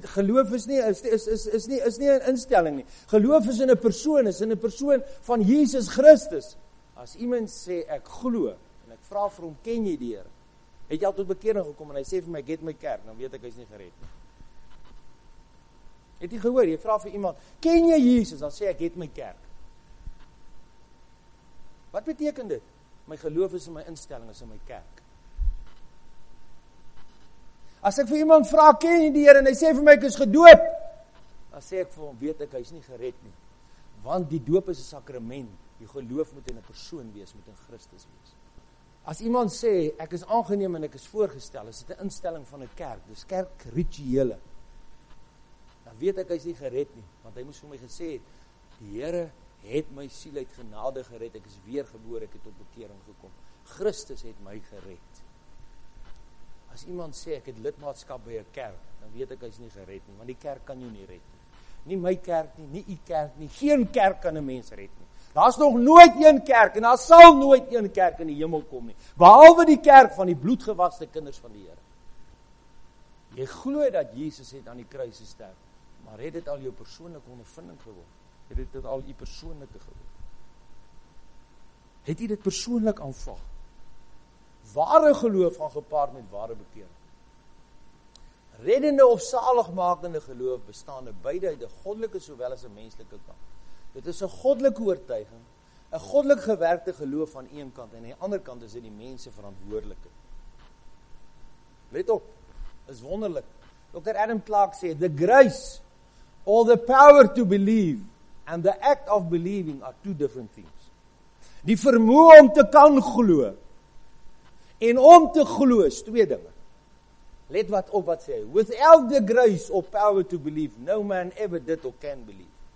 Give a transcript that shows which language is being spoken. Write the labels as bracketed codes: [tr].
[af] Geloof is nie een instelling nie. Geloof is in 'n persoon, is in 'n persoon van Jesus Christus. As iemand sê, ek glo, en ek vraag vir hom, ken jy die Heer? Het jy al tot bekering gekom, en hy sê vir my, get my kerk, dan weet ek, hy is nie gered. Het jy gehoor, jy vraag vir iemand, ken jy Jesus? Dan sê ek, get my kerk. Wat beteken dit? My geloof is in my instelling, is in my kerk. As ek vir iemand vraag, ken jy die Heer, en hy sê vir my, ek is gedoop, dan sê ek vir hom, weet ek, hy is nie gered nie. Want die doop is een sakrament, die geloof moet in een persoon wees, moet in Christus wees. As iemand sê, ek is aangeneem en ek is voorgestel, is dit een instelling van een kerk, dis kerkrituele, dan weet ek, hy is nie gered nie, want hy moes vir my gesê, die Heer het my siel uit genade gered, ek is weergebore, ek het op bekering gekom, Christus het my gered. As iemand sê, ek het lidmaatskap by 'n kerk, dan weet ek, hy is nie gered nie, want die kerk kan jou nie red nie. Nie my kerk nie, nie die kerk nie, geen kerk kan 'n mens red nie. Daar is nog nooit een kerk, en daar sal nooit een kerk in die hemel kom nie, behalwe die kerk van die bloedgewaste kinders van die Here. Jy glo dat Jesus het aan die kruis gesterf, maar het dit al jou persoonlike ondervinding geword? Het dit al jou persoonlike geword? Het jy dit persoonlik aanvaar? Ware geloof gaan gepaard met ware bekering. Reddende of saligmakende geloof bestaan beide uit 'n goddelike sowel as 'n menslike kant. Dit is 'n goddelike oortuiging, 'n goddelik gewerkte geloof van een kant, en aan die ander kant is dit die mense verantwoordelike. Let op, is wonderlik, Dr. [en] Adam Clark said, the grace or the power to believe and the act of believing are two different things. [af] Die vermoë om te kan glo en om te glo is twee dinge. Let wat op wat sê hy. [en] Without the grace or power to believe, no man ever did or can believe.